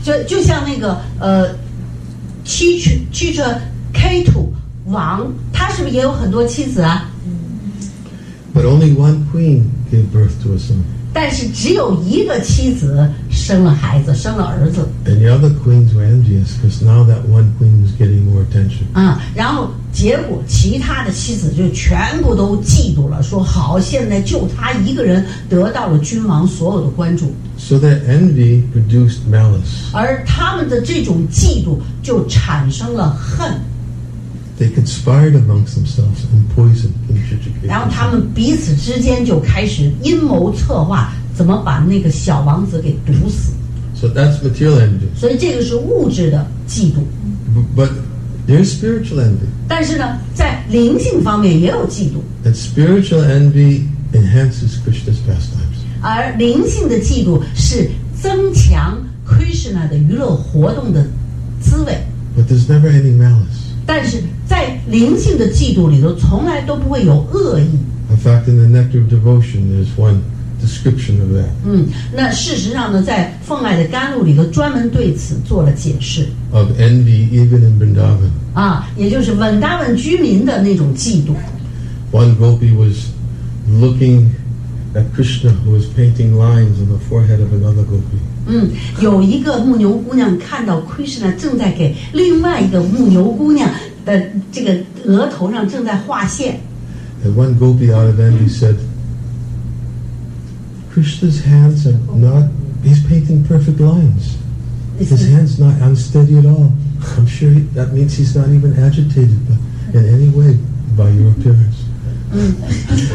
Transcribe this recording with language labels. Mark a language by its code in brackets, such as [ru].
[zh] 就像那个Chitraketu 王，他是不是也有很多妻子啊？ [en] But only one queen gave birth to a son. [zh] 但是只有一个妻子生了孩子，生了儿子。 [en] And the other queens were envious because now that one queen was getting more attention. [zh] 然后结果其他的妻子就全部都嫉妒了，说好，现在就他一个人得到了君王所有的关注。 [en] So that envy produced malice. [zh] 而他们的这种嫉妒就产生了恨。 [en] They conspired amongst themselves and poisoned King Chitraketu. [zh] 然后他们彼此之间就开始阴谋策划，怎么把那个小王子给毒死。 [en] So that's material envy. [zh] 所以这个是物质的嫉妒。 [en] But there's spiritual envy. [zh] 但是呢，在灵性方面也有嫉妒。 [en] And spiritual envy enhances Krishna's pastimes. [zh] 而灵性的嫉妒是增强 Krishna 的娱乐活动的滋味。 [en] But there's never any malice. [zh] 但是在灵性的嫉妒里头，从来都不会有恶意。 [en] In fact, in the Nectar of Devotion, there's one description of that. [zh] 那事实上呢，在《奉爱的甘露》里头，专门对此做了解释。 [en] Of envy, even in Vrindavan. [zh] 也就是文达文居民的那种嫉妒。 [en] One gopi was looking at Krishna, who was painting lines on the forehead of another gopi. [zh] 有一个牧牛姑娘看到 Krishna 正在给另外一个牧牛姑娘的这个额头上正在画线。 [en] And one gopi out of envy said, Krishna's hands are not, he's painting perfect lines. His hands not unsteady at all. I'm sure that means he's not even agitated in any way by your appearance.